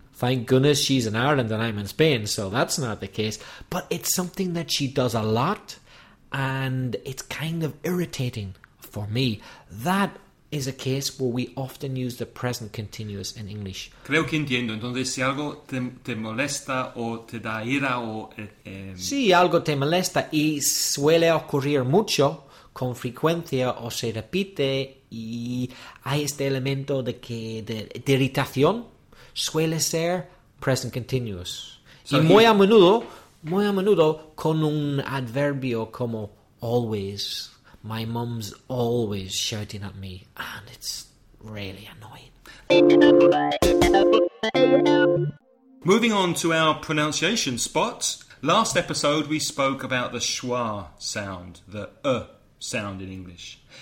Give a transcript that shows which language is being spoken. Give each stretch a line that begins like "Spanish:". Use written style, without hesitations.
English: Thank goodness she's in Ireland and I'm in Spain, so that's not the case. But it's something that she does a lot, and it's kind of irritating for me. That is a case where we often use the present continuous in English.
Spanish: Creo que entiendo. Entonces, si algo te molesta o te da ira o... Si algo te molesta y suele ocurrir mucho, con frecuencia o se repite y hay este elemento de que de irritación suele ser present continuous. So y muy a menudo con un adverbio como always.
English: My mom's always shouting at me, and it's really annoying. Moving on to our pronunciation spots. Last episode, we spoke about the schwa sound, the sound in English.